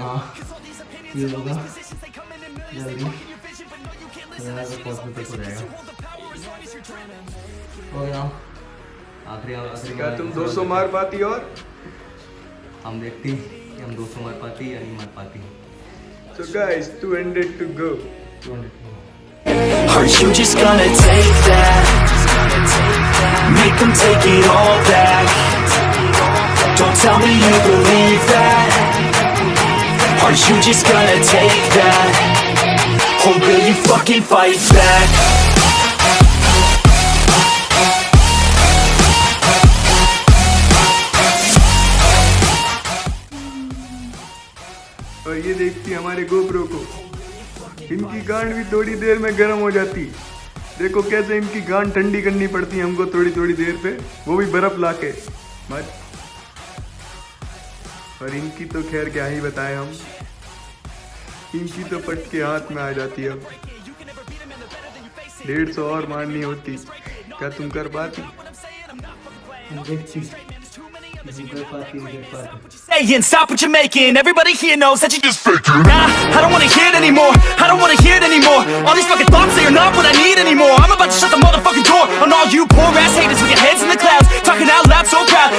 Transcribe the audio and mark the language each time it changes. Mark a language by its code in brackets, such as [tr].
[hi] हाँ ये होगा तुम 200 मार पाती और हम देखते हैं कि हम 200 मार पाती या नहीं मार पाती। [en] So guys, 200 to go. Aren't you just gonna take that? Make them take it all back. Don't tell me you believe that. Aren't you just gonna take that? Or will you fucking fight back? [hi] और ये देखती हमारे GoPro को, इनकी गांड भी थोड़ी देर में गर्म हो जाती। देखो कैसे इनकी गांड ठंडी करनी पड़ती है हमको थोड़ी थोड़ी देर पे, वो भी बर्फ ला के। और इनकी तो खैर क्या ही बताए हम, इनकी तो पट के हाथ में आ जाती है। 150 और मारनी होती, क्या तुम कर पाती? [en] Hey, and stop what you're making. Everybody here knows that you just faking. Nah, I don't wanna hear it anymore. I don't wanna hear it anymore. All these fucking thoughts say you're not what I need anymore. I'm about to shut the motherfucking door on all you poor ass haters with your heads in the clouds, talking out loud so proud.